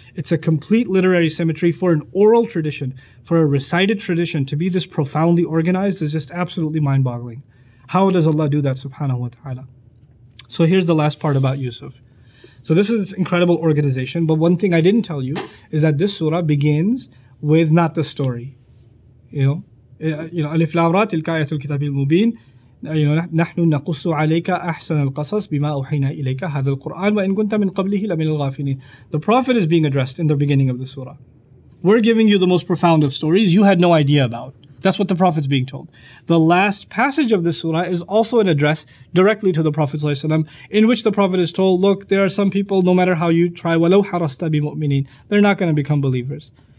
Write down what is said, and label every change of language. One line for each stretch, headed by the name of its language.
English: It's a complete literary symmetry for an oral tradition, for a recited tradition to be this profoundly organized is just absolutely mind-boggling. How does Allah do that, subhanahu wa ta'ala? So here's the last part about Yusuf. So this is incredible organization, but one thing I didn't tell you is that this surah begins with not the story. You know,
Arabic: Alif Lam Ra Tilka Ayatul Kitab al-Mubin.
English: You know,
Arabic: نحن نقص عليك أحسن القصص بما أوحينا إليك هذا القرآن وإن كنت من قبله لمن الغافلين.
English: The Prophet is being addressed in the beginning of the surah. We're giving you the most profound of stories you had no idea about. That's what the Prophet's being told. The last passage of this surah is also an address directly to the Prophet ﷺ, in which the Prophet is told, look, there are some people, no matter how you try,
Arabic: وَلَوْ حَرَصْتَ بِمُؤْمِنِينَ,
English: they're not going to become believers.